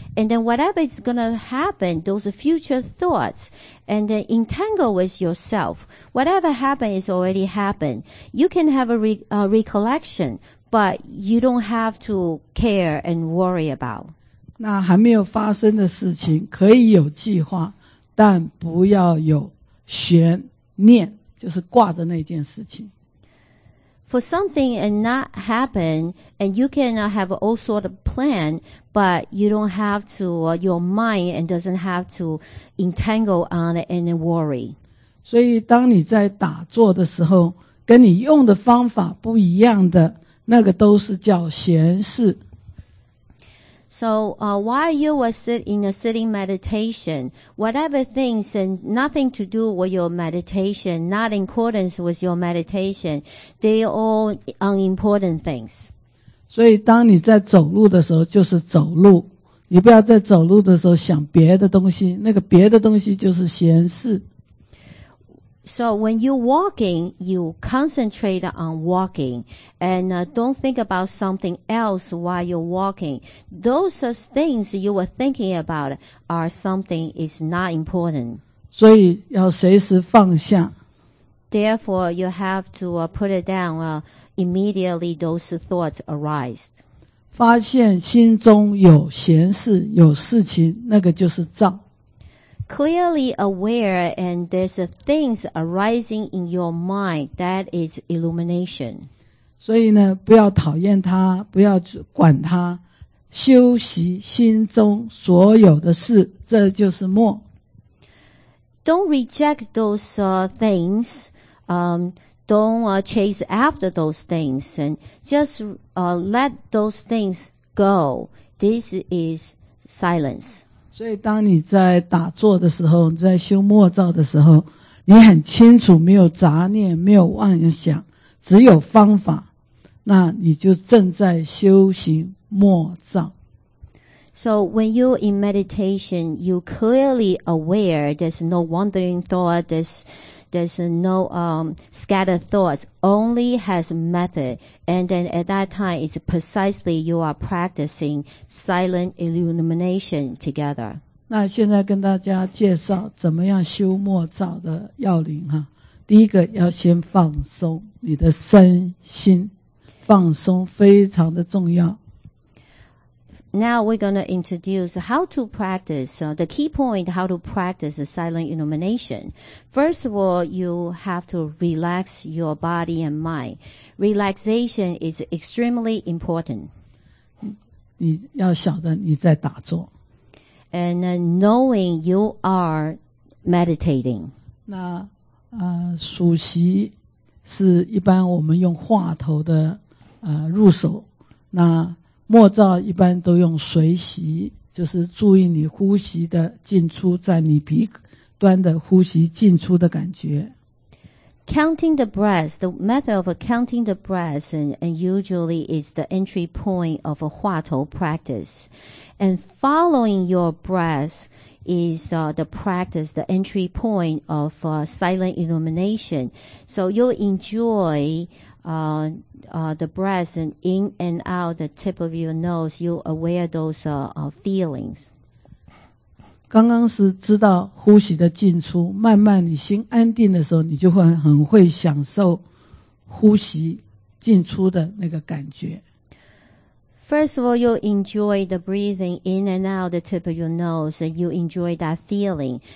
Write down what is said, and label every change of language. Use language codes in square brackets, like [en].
[en] And then whatever is going to happen, those future thoughts, and then entangle with yourself. Whatever happened is already happened. You can have a recollection, but you don't have to care and worry about. [zh] 那还没有发生的事情可以有计划，但不要有悬念，就是挂着那件事情。 [en] For something and not happen, and you can have all sort of plan, but you don't have to, your mind and doesn't have to entangle on it and worry. [zh] 所以当你在打坐的时候，跟你用的方法不一样的，那个都是叫闲事。 [en] So, while you were sitting in a sitting meditation, whatever things and nothing to do with your meditation, not in accordance with your meditation, they are all unimportant things. [zh] 所以当你在走路的时候就是走路，你不要在走路的时候想别的东西，那个别的东西就是闲事。 [en] So when you're walking, you concentrate on walking and don't think about something else while you're walking. Those are things you were thinking about are something is not important. [zh] 所以要随时放下。 [en] Therefore, you have to put it down immediately those thoughts arise. [zh] 发现心中有闲事，有事情，那个就是障。 [en] Clearly aware and there's things arising in your mind that is illumination. [zh] 所以呢，不要讨厌它，不要管它，修习心中所有的事，这就是默。 [en] Don't reject those things. Don't chase after those things and just let those things go. This is silence. [zh] 所以当你在打坐的时候，你在修默照的时候，你很清楚，没有杂念，没有妄想，只有方法，那你就正在修行默照。 [en] So when you're in meditation, you clearly aware there's no wandering thought, there's no scattered thoughts, only has method. And then at that time, it's precisely you are practicing silent illumination together. [zh] 那现在跟大家介绍怎么样修默照的要领哈。第一个要先放松你的身心，放松非常的重要。 [en] Now we're going to introduce how to practice, the key point, how to practice the silent illumination. First of all, you have to relax your body and mind. Relaxation is extremely important. [zh] 你要晓得你在打坐。 [en] And knowing you are meditating. [zh] 那数息是一般我们用话头的入手。那默照一般都用随息，就是注意你呼吸的进出，在你鼻端的呼吸进出的感觉。 [en] Counting the breath, the method of counting the breath and usually is the entry point of a 话头 practice. And following your breath is the practice, the entry point of silent illumination. So you'll enjoy the breath and in and out the tip of your nose, you aware those feelings. [zh] 刚刚是知道呼吸的进出，慢慢你心安定的时候，你就会很会享受呼吸进出的那个感觉。 [en] First of all, you enjoy the breathing in and out the tip of your nose, and you enjoy that feeling.